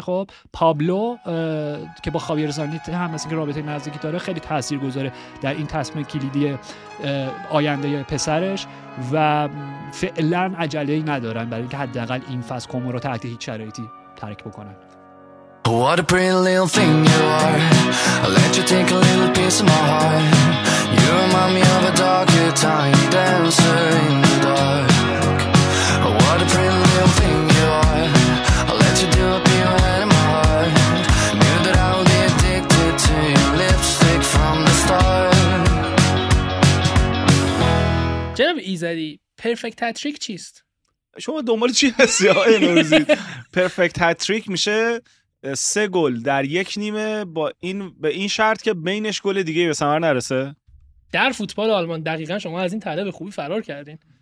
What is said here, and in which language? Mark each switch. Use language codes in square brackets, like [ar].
[fa] خب پابلو که با خاویر زانیت هم مثل که رابطه نزدیکی داره خیلی تأثیر گذاره در این تصمیم کلیدی آینده پسرش، و فعلا عجله‌ای ندارن برای اینکه حداقل این فصل کومو رو تحت هیچ شرایطی ترک بکنن. [en] What a pretty little thing you are, I'll let you take a little piece of my heart. You remind me of a darker time, dancer in the dark. What a pretty little thing you are, I'll let you do a pirouette in my heart. Knew that I would be addicted to your lipstick from the start. [fa] جناب ایزدی، پرفکت هتریک چیست؟ شما دنبال چی هستی ها این روزی؟ پرفکت هتریک میشه سه گل در یک نیمه با این به این شرط که بینش گل دیگه به ثمر نرسه. در فوتبال آلمان دقیقاً شما از این طلب خوبی فرار کردین.